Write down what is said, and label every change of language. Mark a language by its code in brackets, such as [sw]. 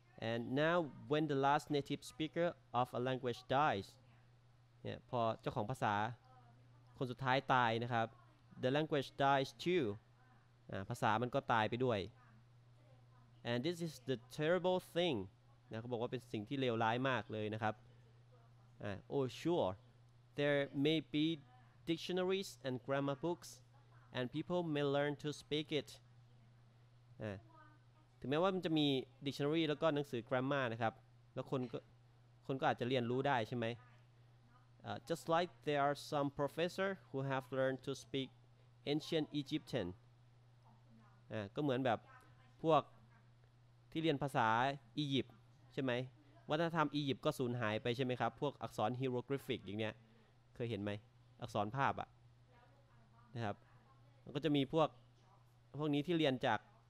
[en] and now when the last native speaker of a language dies [th] เนี่ยพอเจ้าของภาษาคนสุดท้ายตายนะครับ [en] the language dies too [th] ภาษามันก็ตายไปด้วย [en] and this is the terrible thing [th] นะเขาบอกว่าเป็นสิ่งที่เลวร้ายมากเลยนะครับ [en] oh sure there may be dictionaries and grammar books and people may learn to speak it [th] ถึงแม้ว่ามันจะมี dictionary แล้วก็หนังสือ grammar นะครับแล้วคนก็อาจจะเรียนรู้ได้ใช่ไหม [en] Just like there are some professor who have learned to speak ancient Egyptian. [th] ก็เหมือนแบบพวกที่เรียนภาษาอียิปต์ใช่ไหมวัฒนธรรมอียิปต์ก็สูญหายไปใช่ไหมครับพวกอักษรฮีโรกริฟิกอย่างเนี้ยเคยเห็นไหมอักษรภาพอ่ะนะครับมันก็จะมีพวกนี้ที่เรียนจาก